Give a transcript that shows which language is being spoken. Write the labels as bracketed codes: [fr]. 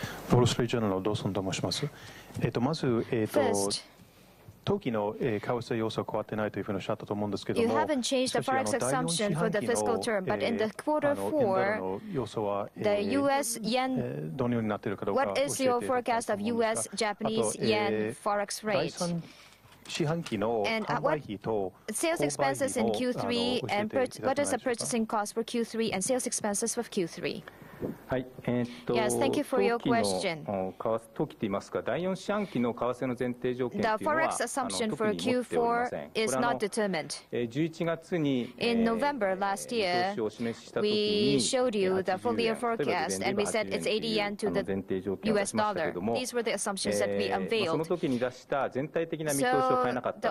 [ja] ウォールストリートジャーナルのドーソンと申します。まず、当期の為替要素は変わってないというふうにおっしゃったと思うんですけども、 [en] You haven't changed the forex assumption for the fiscal term, but in the quarter four, the U.S. yen, [ja] どのようになっているかどうか、 [en] What is your forecast of U.S. Japanese yen forex rate? [ja] 四半期の販売費と購買費を教えていただけないでしょうか。はい、当期の為替、当期といいますか、第4四半期の為替の前提条件というのは、 [en] Forex assumption for Q4 is not determined. [ja] 11月に、 [en] In November last year, we showed you the full year forecast, and we said it's 80 yen to the US dollar. These were the assumptions that we unveiled. [ja] その時に出した全体的な見通しを変えなかった。